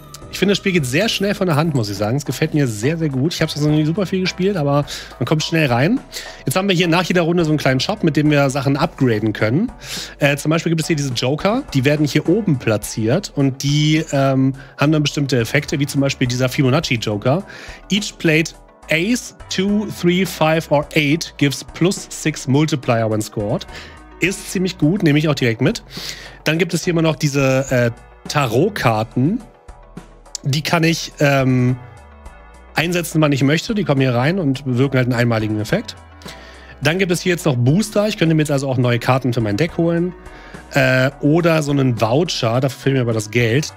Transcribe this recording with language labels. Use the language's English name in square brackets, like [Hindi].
[German] Ich finde, das Spiel geht sehr schnell von der Hand, muss ich sagen. Es gefällt mir sehr, sehr gut. Ich habe es noch nicht super viel gespielt, aber man kommt schnell rein. Jetzt haben wir hier nach jeder Runde so einen kleinen Shop, mit dem wir Sachen upgraden können. Zum Beispiel gibt es hier diese Joker. Die werden hier oben platziert und die haben dann bestimmte Effekte, wie zum Beispiel dieser Fibonacci-Joker. [English] Each played Ace, 2, 3, 5 or 8 gives plus 6 Multiplier when scored. [German] Ist ziemlich gut, nehme ich auch direkt mit. Dann gibt es hier immer noch diese Tarot-Karten. Die kann ich einsetzen, wann ich möchte. Die kommen hier rein und bewirken halt einen einmaligen Effekt. Dann gibt es hier jetzt noch Booster. Ich könnte mir jetzt also auch neue Karten für mein Deck holen. Oder so einen Voucher, dafür fehlt mir aber das Geld.